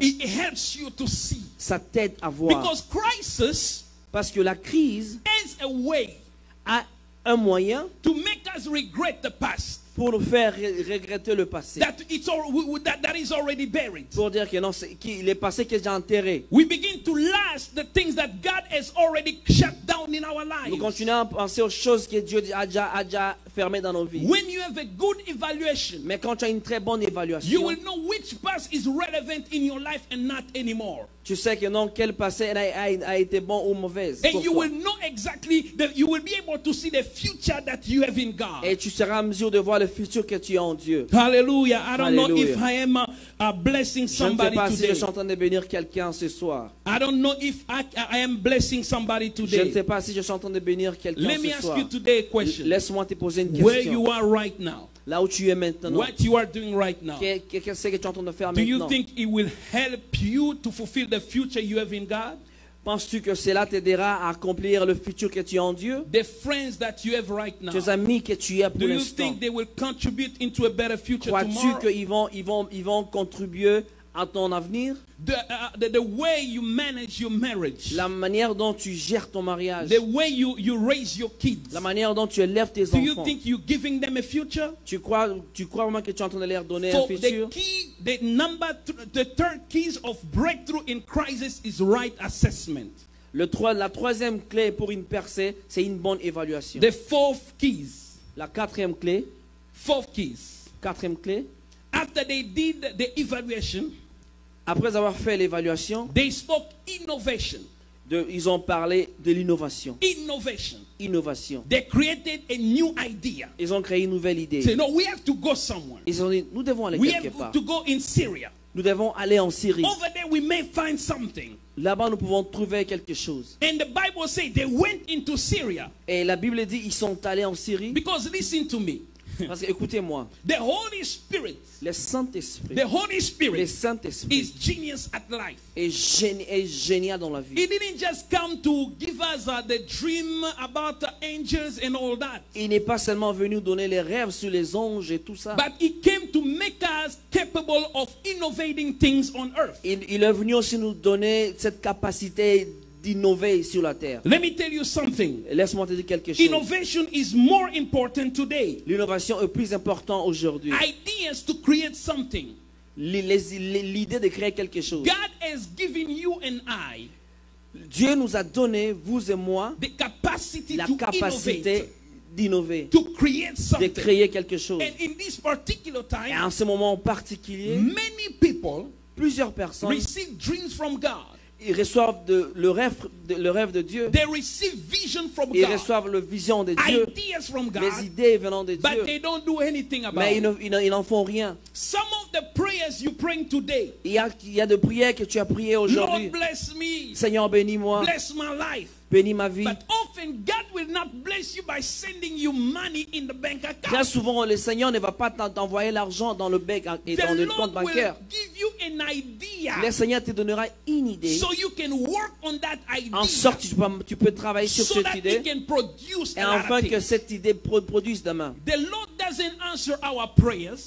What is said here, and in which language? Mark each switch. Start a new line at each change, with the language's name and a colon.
English: It helps you to see.
French: Ça t'aide à voir.
English: Because crisis,
French: parce que la crise,
English: is a way,
French: a un moyen,
English: to make us regret the past.
French: Pour nous faire regretter le passé.
English: That it's all, that is already buried.
French: Pour dire que non, c'est qu'il est passé qui est déjà enterré.
English: We begin to last the things that God has already shut down in our lives.
French: Nous continuons à penser aux choses que Dieu a déjà fermées dans nos vies.
English: When you have a good evaluation,
French: mais quand tu as une très bonne évaluation,
English: you will know which past is relevant in your life and not anymore.
French: Tu sais que non, quel passé a été bon ou mauvais.
English: And you will know exactly that you will be able to see the future that you have in God.
French: Et tu seras en mesure de voir le futur que tu as en Dieu.
English: Hallelujah. I don't know if I am a blessing somebody today.
French: Je ne sais pas si je suis en train de bénir quelqu'un ce soir.
English: I don't know if I am blessing somebody today.
French: Je ne sais pas si je suis en train de bénir quelqu'un ce soir.
English: Let me ask you today a question.
French: Laisse-moi te poser une question.
English: Where you are right now?
French: Là où tu es maintenant.
English: What you are doing right now?
French: Qu'est-ce que tu es en train de faire maintenant?
English: Do you think it will help you to fulfill the future you have in God?
French: Penses-tu que cela t'aidera à accomplir le futur que tu as en Dieu?
English: The friends that you have right now,
French: tes amis que tu as pour
English: do you
French: l'instant,
English: think they will contribute into a better future
French: crois-tu
English: tomorrow?
French: qu'ils vont contribuer à ton avenir?
English: The way you manage your marriage,
French: la manière dont tu gères ton mariage,
English: the way you raise your kids,
French: la manière dont tu élèves tes
English: do
French: enfants,
English: you think you're giving them a future?
French: Tu crois vraiment que tu es en train de leur donner
English: for
French: un futur?
English: The third keys of breakthrough in crisis is right assessment.
French: La troisième clé pour une percée, c'est une bonne évaluation.
English: The fourth keys.
French: La quatrième clé.
English: Fourth keys.
French: Quatrième clé.
English: After they did the evaluation,
French: après avoir fait l'évaluation,
English: they spoke innovation.
French: Ils ont parlé de l'innovation.
English: Innovation.
French: Innovation.
English: They created a new idea.
French: Ils ont créé une nouvelle idée.
English: So, no, we have to go somewhere.
French: Ils ont dit, nous devons aller
English: we
French: quelque
English: have
French: part.
English: To go in Syria.
French: Nous devons aller en Syrie.
English: Over there we may find something.
French: Là-bas, nous pouvons trouver quelque chose.
English: And the Bible says they went into Syria.
French: Et la Bible dit ils sont allés en Syrie.
English: Because listen to me.
French: Parce que écoutez-moi.
English: The Holy Spirit.
French: Le Saint-Esprit.
English: The Holy Spirit.
French: Le Saint-Esprit.
English: Is genius at life.
French: Est génial dans la vie.
English: He didn't just come to give us the dream about the angels and all that.
French: Il n'est pas seulement venu donner les rêves sur les anges et tout ça.
English: But he came to make us capable of innovating things on earth.
French: Il est venu aussi nous donner cette capacité d'innover sur la terre.
English: Let me tell you something.
French: Laisse-moi te dire quelque chose.
English: Innovation is more important today.
French: L'innovation est plus importante aujourd'hui.
English: Ideas to create something.
French: L'idée de créer quelque chose.
English: God has given you and I.
French: Dieu nous a donné, vous et moi,
English: the capacity
French: la capacité
English: to innovate,
French: d'innover,
English: to create something.
French: De créer quelque chose.
English: And in this particular time,
French: et en ce moment particulier,
English: many people
French: plusieurs personnes
English: receive dreams from God.
French: Ils reçoivent le rêve de Dieu.
English: They receive vision from God.
French: Ils reçoivent le vision de Dieu.
English: Ideas from God.
French: Les idées venant de Dieu.
English: But they don't do anything about
French: Mais ils n'en font rien.
English: Some of the prayers you praying today.
French: Il y a des prières que tu as priées aujourd'hui.
English: Lord bless me.
French: Seigneur bénis-moi.
English: Bless my life.
French: Bénis ma vie.
English: But often God will not bless you by sending you money in the bank account.
French: Très souvent, le Seigneur ne va pas t'envoyer l'argent dans le bank et dans le compte bancaire.
English: The Lord will give you an idea.
French: Le Seigneur te donnera une idée.
English: So you can work on that idea.
French: En sorte que tu peux travailler sur
English: so
French: cette idée.
English: So that it can produce.
French: Et enfin que cette idée produise demain.
English: The Lord doesn't answer our prayers.